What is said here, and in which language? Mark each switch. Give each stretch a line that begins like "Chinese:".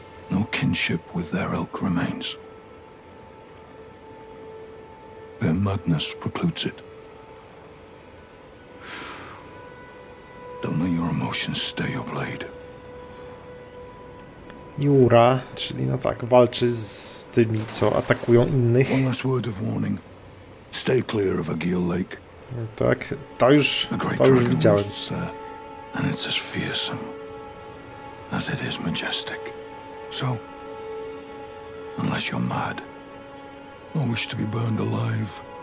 English: No kinship with their ilk remains. Their madness precludes it. Don't let your emotions stay your blade.
Polish: Jura, czyli no tak, walczy z tymi, co atakują innych.
English: One last word of warning. Stay clear of Agile Lake.
Polish: No tak, to już widziałem.
English: And it's as fearsome as it is majestic. So, unless you're mad, or wish to be burned alive,